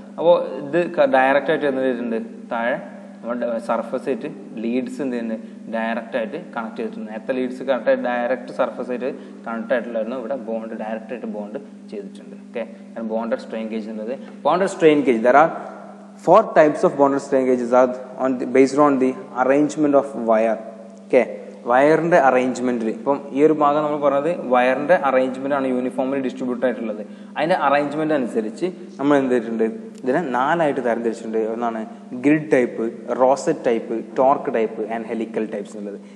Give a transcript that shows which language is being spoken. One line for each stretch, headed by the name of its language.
Malayalam: അപ്പോൾ ഇത് ഡയറക്റ്റായിട്ട് എന്ത് ചെയ്തിട്ടുണ്ട്, താഴെ നമ്മുടെ സർഫസ് ആയിട്ട് ലീഡ്സ് എന്ത് ചെയ്യുന്നത്, ഡയറക്റ്റായിട്ട് കണക്ട് ചെയ്തിട്ടുണ്ട്. നേരത്തെ ലീഡ്സ് കറക്റ്റായിട്ട് ഡയറക്റ്റ് സർഫസ് ആയിട്ട് കണക്റ്റായിട്ടുള്ളതായിരുന്നു, ഇവിടെ ബോണ്ട് ഡയറക്റ്റായിട്ട് ബോണ്ട് ചെയ്തിട്ടുണ്ട്. ഓക്കെ, ബോണ്ടഡ് സ്ട്രെയിൻ ഗേജ് എന്നുള്ളത്. Bonded strain gauge there are
English: four types of bonded strain gauges are on the, based on the arrangement of wire. Okay.
Malayalam: വയറിൻ്റെ അറേഞ്ച്മെൻറ്റിൽ ഇപ്പം ഈ ഒരു ഭാഗം നമ്മൾ പറഞ്ഞത് വയറിൻ്റെ അറേഞ്ച്മെൻറ്റാണ് യൂണിഫോമിൽ ഡിസ്ട്രിബ്യൂട്ട് ആയിട്ടുള്ളത്. അതിൻ്റെ അറേഞ്ച്മെൻ്റ് അനുസരിച്ച് നമ്മൾ എന്ത് ചെയ്തിട്ടുണ്ട്, ഇതിനെ നാലായിട്ട് തരംതിരിച്ചിട്ടുണ്ട്. ഒന്നാണ് grid type, rosette type, torque type and helical types എന്നുള്ളത്.